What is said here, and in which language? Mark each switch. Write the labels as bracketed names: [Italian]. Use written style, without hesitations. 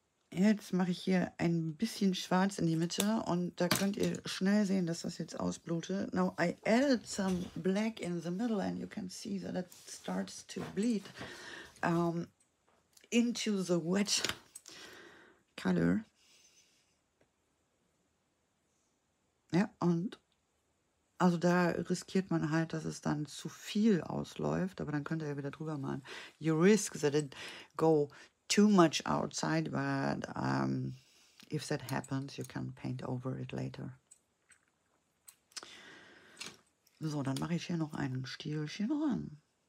[German] Jetzt mache ich hier ein bisschen schwarz in die Mitte und da könnt ihr schnell sehen, dass das jetzt ausblutet. [English] Now I added some black in the middle and you can see that it starts to bleed into the wet color. [German] Ja, und also da riskiert man halt, dass es dann zu viel ausläuft, aber dann könnt ihr ja wieder drüber malen. [English] You risk that it go too much outside, but if that happens, you can paint over it later. [German] So, dann mache ich hier noch ein Stielchen ran.